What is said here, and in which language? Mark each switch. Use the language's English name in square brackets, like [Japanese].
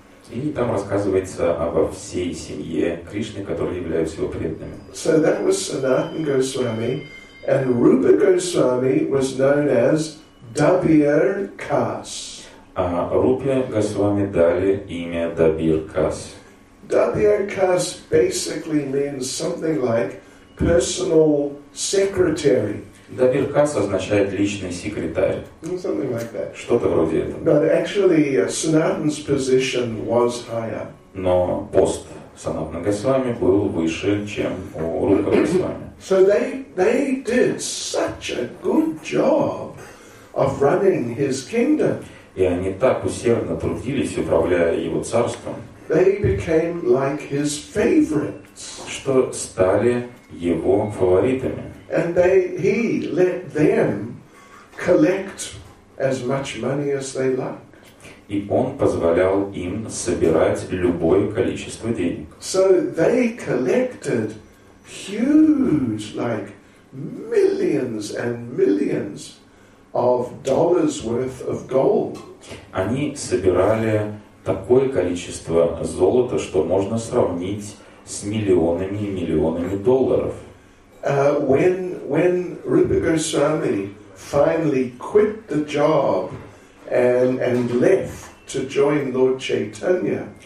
[Russian] И там рассказывается обо всей семье Кришны, которые являются его преданными. [English] So that was Sanatan Goswami, and Rupa Goswami was known as Dabir Kas. [Russian] А Рупе Госвами дали имя Дабир Кас. [English] Dabir Kas basically means something like personal secretary. [Russian] Dabir Kas означает личный секретарь. [English] Something like that. [Russian] Что-то вроде этого. [English] But actually, Sanatan's position was higher. [Russian] Но пост Санатана Госвами был выше, чем у Рупы Госвами. [English] So they did such a good job of running his kingdom. [Russian] И они так усердно трудились, управляя его царством. [English] They became like his favorites. [Russian] Что стали его фаворитами. [English] And he let them collect as much money as they liked. [Russian] И он позволял им собирать любое количество денег. [English] So they collected huge, like millions and millions of dollars worth of gold. [Russian] Они собирали такое количество золота, что можно сравнить с миллионами и миллионами долларов. [English] When Rupa Goswami finally quit the job and left to join Lord Chaitanya.